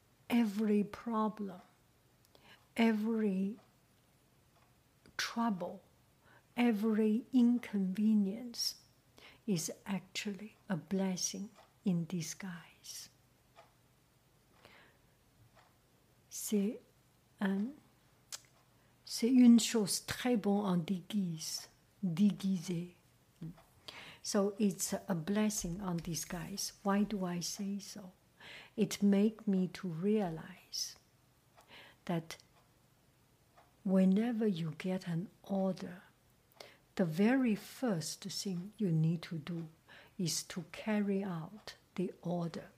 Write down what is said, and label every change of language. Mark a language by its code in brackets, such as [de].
[en] Every problem, every trouble, every inconvenience is actually a blessing in disguise. [fr] C'est une chose très bon en déguise, déguisé. [en] So it's a blessing in disguise. Why do I say so? It makes me to realize that whenever you get an order, the very first thing you need to do is to carry out the order.